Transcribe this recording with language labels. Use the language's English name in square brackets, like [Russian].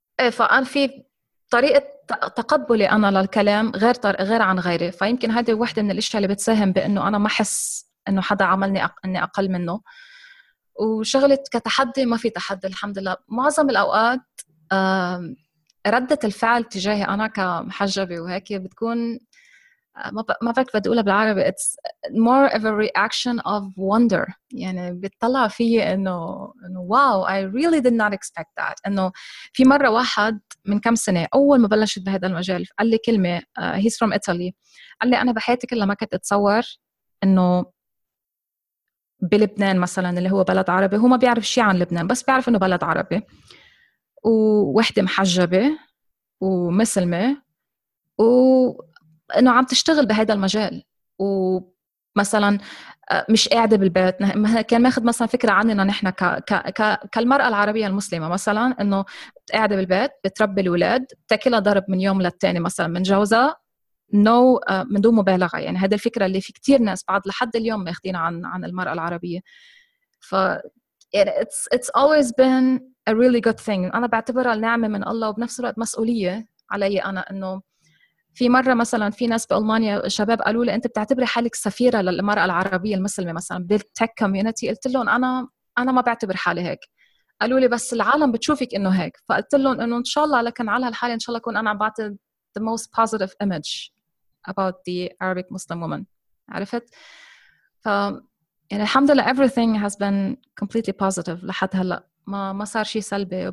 [Arabic] فانا في طريقه تقبلي أنا للكلام غير عن غيري، فيمكن هذه واحدة من الأشياء اللي بتساهم بأنه أنا ما حس أنه حدا عملني أني أقل منه. وشغلة كتحدي ما في تحدي الحمد لله. معظم الأوقات ردة الفعل تجاهي أنا كمحجبة وهيك بتكون ما بعرف بدي أقولها بالعربي [English] it's more of a reaction of wonder. [Arabic] يعني بتطلع فيه إنه [English] wow I really did not expect that. [Arabic] إنه في مرة واحد من كم سنة أول ما بلشت بهذا المجال قال لي كلمة [English] he's from Italy، [Arabic] قال لي أنا بحياتي كلها ما كنت أتصور إنه بلبنان مثلا اللي هو بلد عربي، هو ما بيعرف شيء عن لبنان بس بيعرف إنه بلد عربي ووحدة محجبة ومسلمة و انه عم تشتغل بهذا المجال ومثلا مش قاعده بالبيت. كان ماخذ مثلا فكره عننا نحن كالمراه العربيه المسلمه مثلا انه قاعده بالبيت بتربي الاولاد تاكلها ضرب من يوم للتاني مثلا من جوزة من دون مبالغه. يعني هذه الفكره اللي في كتير ناس بعد لحد اليوم ماخذين عن المراه العربيه. [English] ف it's always been a really good thing. [Arabic] انا بعتبرها نعمه من الله وبنفس الوقت مسؤوليه علي انا. انه في مرة مثلاً في ناس بألمانيا شباب قالوا لي أنت بتعتبري حالك سفيرة للمرأة العربية المسلمة مثلاً بالتك كوميونتي، قلت لهم أنا ما بعتبر حالي هيك. قالوا لي بس العالم بتشوفك إنه هيك، فقلت لهم إنه إن شاء الله لكن على هالحالة إن شاء الله أكون أنا عم بعطي [English] the most positive image about the Arabic Muslim woman، [Arabic] عرفت؟ ف يعني الحمد لله [English] everything has been completely positive [Arabic] لحد هلأ، ما صار شيء سلبي.